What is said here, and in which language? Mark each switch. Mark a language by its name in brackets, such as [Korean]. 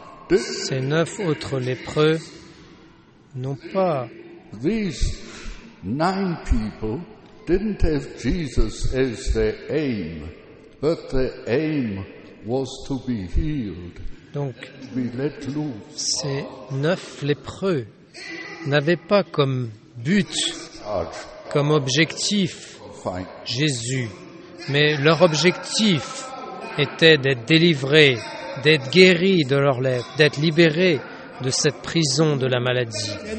[French] Ces 9 autres lépreux n'ont pas. [English] These 9 people didn't have Jesus as their aim, but their aim was to be healed. [French] Donc, [English] to be let loose. [French] Ces 9 lépreux n'avaient pas comme but, comme objectif, Jésus. Mais leur objectif était d'être délivrés, d'être guéris de leur lèpre, d'être libérés de cette prison de la maladie.